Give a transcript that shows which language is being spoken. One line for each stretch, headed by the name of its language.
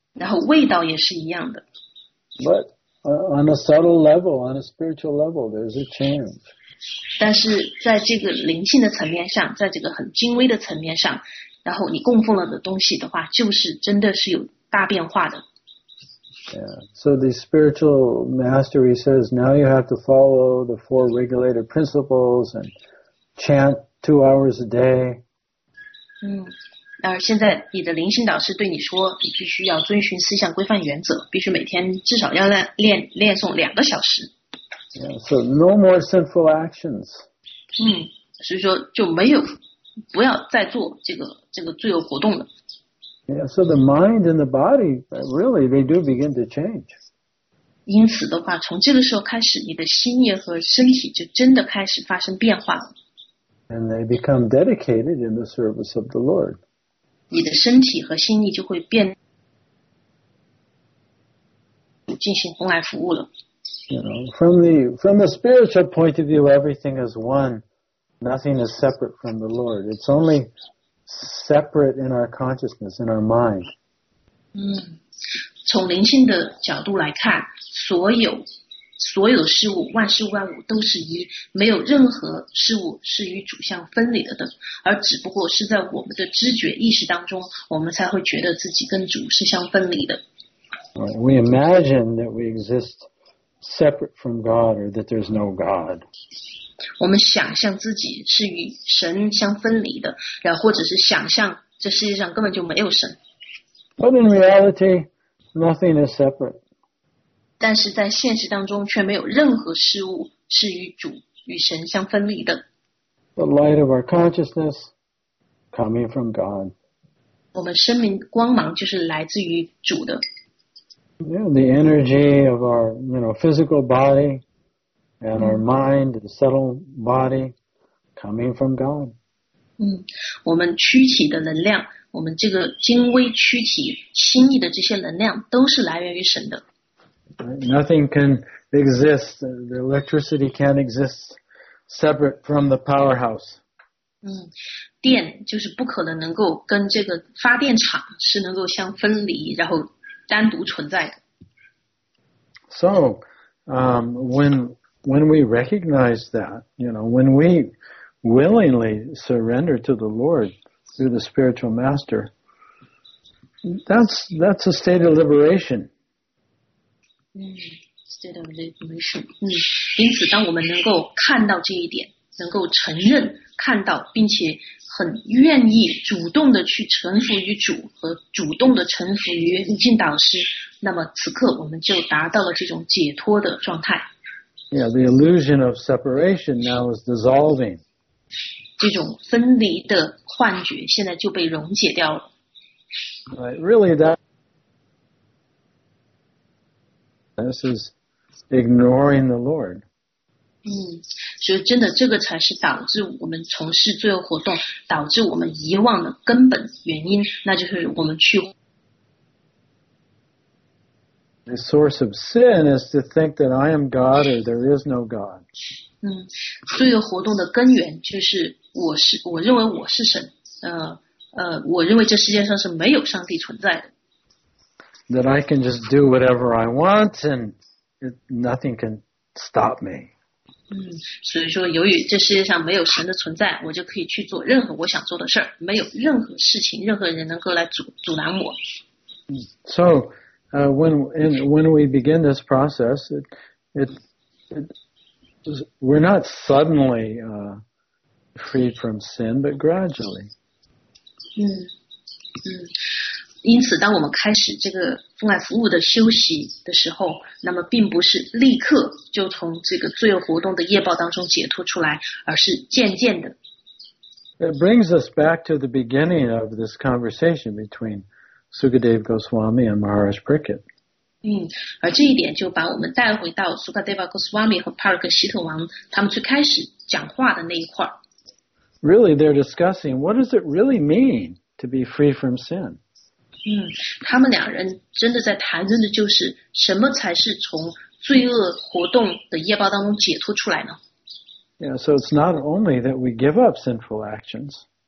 Chinese: 然后味道也是一样的。
English: But on a subtle level, on a spiritual level, there's a change.
Chinese: 但是在这个灵性的层面上，在这个很精微的层面上，然后你供奉了的东西的话，就是真的是有大变化的。
English: Yeah. So the spiritual master, he says, now you have to follow the four regulated principles and chant 2 hours a day.
Chinese: 现在你的灵性导师对你说，你必须要遵循四项规范原则，必须每天至少要练诵2个小时。
English: Yeah, so no more sinful actions.
Chinese: 所以说就没有不要再做这个罪恶活动了。
English: Yeah, so the mind and the body really they do begin to change.
Chinese: 因此的话，从这个时候开始，你的心意和身体就真的开始发生变化了。
English: And they become dedicated in the service of the Lord.
Chinese: 你的身体和心意就会变进行弘来服务了。
English: From the spiritual point of view, everything is one. Nothing is separate from the Lord. It's only separate in our consciousness, in our mind.
Chinese: 从灵性的角度来看，所有事物，万事万物都是一，没有任何事物是与主相分离的，而只不过是在我们的知觉意识当中，我们才会觉得自己跟主是相分离的。
English: We imagine that we exist separate from God, or that there's no God.
Chinese: 我们想象自己是与神相分离的，然后或者是想象这世界上根本就没有神。
English: But in reality, nothing is separate.
Chinese: 但是在现实当中却没有任何事物是与主与神相分离的。
English: The light of our consciousness coming from God.
Chinese: 我们生命光芒就是来自于主的。
English: Yeah, the energy of our, you know, physical body and our mind, the subtle body coming from God.
Chinese: 我们躯体的能量，我们这个精微躯体心意的这些能量都是来源于神的。
English: Nothing can exist. The electricity can't exist separate from the powerhouse.
Chinese: 电就是不可能能够跟这个发电厂是能够相分离，然后单独存在的。
English: So, when we recognize that, you know, when we willingly surrender to the Lord through the spiritual master, that's a state of liberation. State of liberation.
Chinese: 因此当我们能够看到这一点，能够承认看到并且很愿意主动的去臣服于主和主动的臣服于灵性导师，那么此刻我们就达到了这种解脱的状态。
English: Yeah, the illusion of separation now is dissolving.
Chinese: 这种分离的幻觉现在就被溶解掉了。
English: This is ignoring the Lord.
Chinese: 所以真的这个才是导致我们从事罪恶活动，导致我们遗忘的根本原因，那就是我们去
English: The source of sin is to think that I am God or there is no God.
Chinese: 罪恶活动的根源就是我认为我是神，我认为这世界上是没有上帝存在的。
English: That I can just do whatever I want and nothing can stop me.
Chinese: 所以说由于这世界上没有神的存在，我就可以去做任何我想做的事，没有任何事情任何人能够来阻拦我。
English: So, when we begin this process, we're not suddenly freed from sin, but gradually.
Chinese: 因此当我们开始这个奉爱服务的休息的时候，那么并不是立刻就从这个罪恶活动的业报当中解脱出来，而是渐渐的。
English: It brings us back to the beginning of this conversation between Sukadeva Goswami and Maharaj Prickett.
Chinese: 而这一点就把我们带回到 Sukadeva Goswami 和 Parikshita 王他们最开始讲话的那一块。
English: Really, they're discussing what does it really mean to be free from sin?
Chinese: 他们两人真的在谈论的就是什么才是从罪恶活动的业报当中解脱出来呢？
English: Yeah, so it's not only that we give up sinful actions.